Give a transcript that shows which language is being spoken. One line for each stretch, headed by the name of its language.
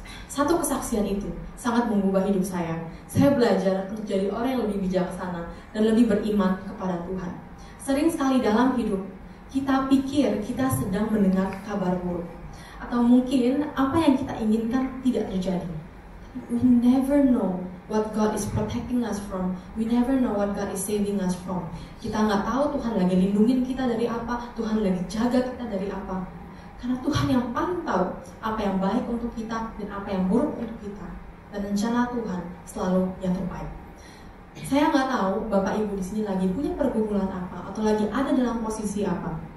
Indonesian: Satu kesaksian itu sangat mengubah hidup saya. Saya belajar untuk jadi orang yang lebih bijaksana dan lebih beriman kepada Tuhan. Sering sekali dalam hidup, kita pikir kita sedang mendengar kabar buruk. Atau mungkin apa yang kita inginkan tidak terjadi.
English: We never know what God is protecting us from. We never know what God is saving us from.
Indonesian: Kita nggak tahu Tuhan lagi lindungin kita dari apa, Tuhan lagi jaga kita dari apa. Karena Tuhan yang paling tahu apa yang baik untuk kita dan apa yang buruk untuk kita. Dan rencana Tuhan selalu yang terbaik. Saya nggak tahu Bapak Ibu di sini lagi punya pergumulan apa atau lagi ada dalam posisi apa.